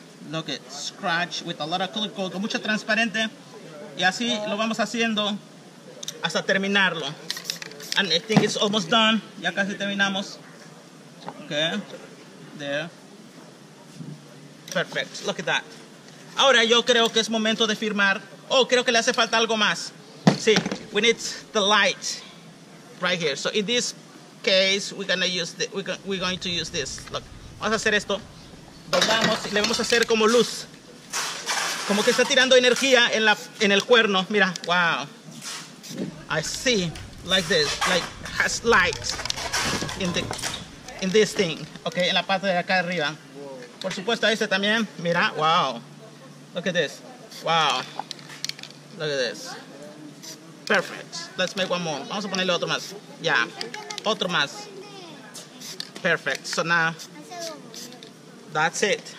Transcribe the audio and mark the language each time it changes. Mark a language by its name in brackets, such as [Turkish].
[English] Look at scratch with a lot of color code, [Spanish] con mucho transparente, y así lo vamos haciendo hasta terminarlo. [English] And I think it's almost done. [Spanish] Ya casi terminamos. [English] Okay, there. Perfect. Look at that. [Spanish] Ahora yo creo que es momento de firmar. Oh, creo que le hace falta algo más. [English] Sí, we need the light right here. So in this case, we're going to use this. [Spanish] Look, vamos a hacer esto. Doblamos y le vamos a hacer como luz. Como que está tirando energía en el cuerno. [English] Mira, wow. I see, like this. Like, has lights in this thing. [Spanish] Ok, en la parte de acá arriba. Por supuesto, este también. Mira, wow. Look at this. [English] Wow. Look at this. Perfect. Let's make one more. [Spanish] Vamos a ponerle otro más. Ya. [English] Yeah. [Spanish] Otro más. [English] Perfect. So now. That's it.